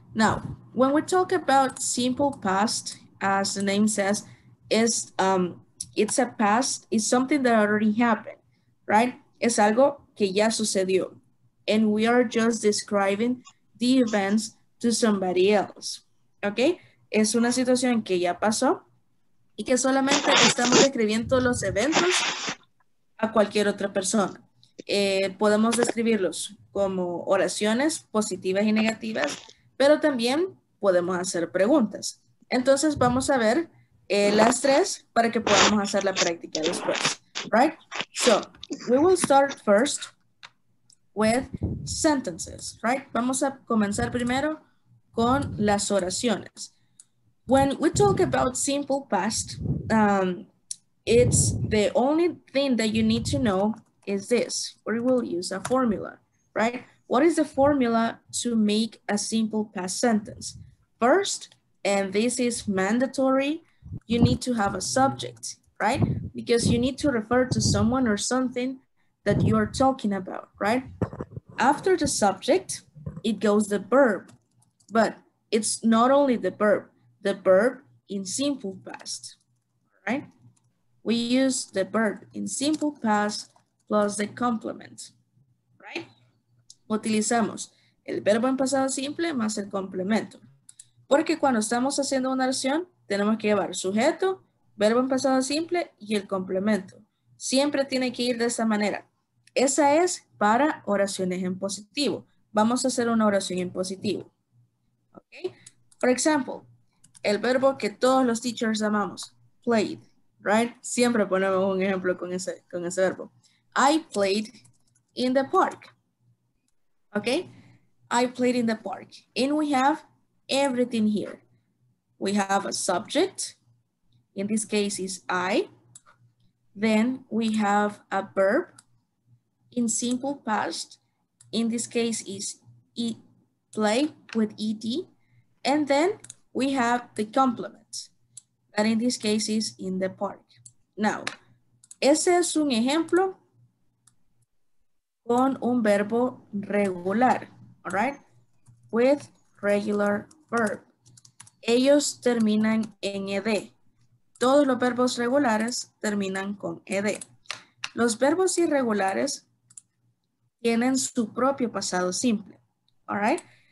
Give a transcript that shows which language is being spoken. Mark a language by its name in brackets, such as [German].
[English] Now, when we talk about simple past, as the name says, it's a past, it's something that already happened, right? [Spanish] Es algo que ya sucedió. [English] And we are just describing the events to somebody else, okay? [Spanish] Es una situación que ya pasó y que solamente estamos describiendo los eventos a cualquier otra persona. Podemos describirlos como oraciones positivas y negativas, pero también podemos hacer preguntas. Entonces vamos a ver las tres para que podamos hacer la práctica después, right? [English] So, we will start first with sentences, right? [Spanish] Vamos a comenzar primero con las oraciones. [English] When we talk about simple past, it's the only thing that you need to know is this. We will use a formula, right? What is the formula to make a simple past sentence? First, and this is mandatory, you need to have a subject, right? Because you need to refer to someone or something that you are talking about, right? After the subject, it goes the verb, but it's not only the verb in simple past, right? We use the verb in simple past plus the complement, right? [Spanish] Utilizamos el verbo en pasado simple más el complemento. Porque cuando estamos haciendo una oración, tenemos que llevar sujeto, verbo en pasado simple y el complemento. Siempre tiene que ir de esa manera. Esa es para oraciones en positivo. Vamos a hacer una oración en positivo. Okay? [English] For example, [Spanish] el verbo que todos los teachers amamos, played, right? Siempre ponemos un ejemplo con ese verbo. [English] I played in the park. Okay, I played in the park. And we have everything here. We have a subject. In this case is I. Then we have a verb in simple past. In this case is play with ed. And then we have the complement. that in this case is in the park. [Spanish] Now, ese es un ejemplo con un verbo regular, all right? [English] With regular verb. [Spanish] Ellos terminan en ed. Todos los verbos regulares terminan con ed. Los verbos irregulares tienen su propio pasado simple, all right?